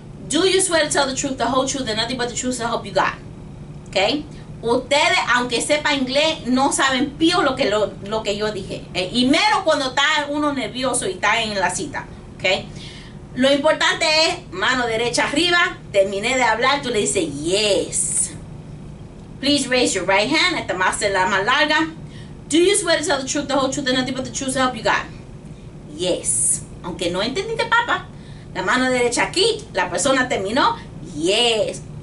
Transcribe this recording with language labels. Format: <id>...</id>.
<en>Do you swear to tell the truth, the whole truth, and nothing but the truth I hope you got? Okay.</en> <es>Ustedes, aunque sepa inglés, no saben pío lo que yo dije. Y menos cuando está uno nervioso y está en la cita. Okay. Lo importante es, mano derecha arriba, terminé de hablar, tú le dices, yes.</es> <en>Please raise your right hand,</en> <es>esta más es la más larga.</es> <en>Do you swear to tell the truth, the whole truth, and nothing but the truth to help you God? Yes.</en> <es>Aunque no entendiste, papá, la mano derecha aquí, la persona terminó, yes.</es>